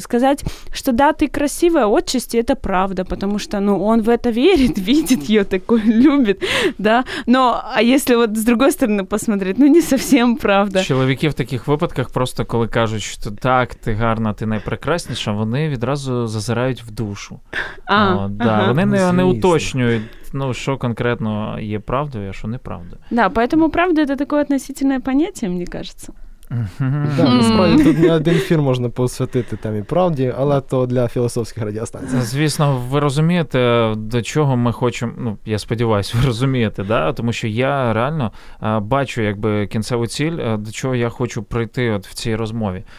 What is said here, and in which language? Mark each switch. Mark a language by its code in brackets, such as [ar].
[ru] Сказать, что да, ты красивая, отчасти это правда, потому что, ну, он в это верит, видит ее такой, любит, да. Но, а если вот с другой стороны посмотреть, ну, не совсем правда. [uk] Человеки в таких выпадках просто, когда кажут, что так, ты гарна, ты найпрекраснейшая, они відразу зазывают в душу. Вони не уточнюють, ну, що конкретно є правдою, а що неправдою. [ru] Да, поэтому правда – это такое относительное понятие, мне кажется. [uk] Да, насправді, тут не один ефір можна посвятити там і правді, але то для філософських радіостанцій. Звісно, ви розумієте, до чого ми хочемо, ну, я сподіваюся, ви розумієте, да? Тому що я реально бачу, якби, кінцеву ціль, до чого я хочу прийти от в цій розмові.